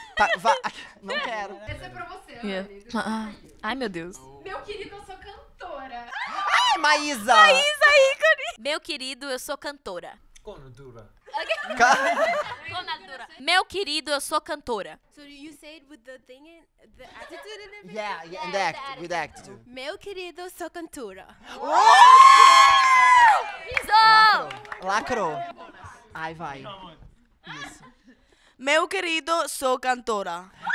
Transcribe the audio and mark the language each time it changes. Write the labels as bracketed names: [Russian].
[Portuguese] Tá, vai. Não quero. Esse é pra você, yeah. Ana. Ai, meu Deus. Meu querido, eu sou cantora. Ai, Maísa. Maísa, ícone. Meu querido, eu sou cantora. Conadura. Meu querido, eu sou cantora. [English] So you say it with the thing in the attitude in it? Yeah, yeah, and the act, attitude. With the attitude. [Portuguese] Meu querido, sou cantora. Pisou! Lacrou. Ai, vai. Isso. Meu querido, sou cantora.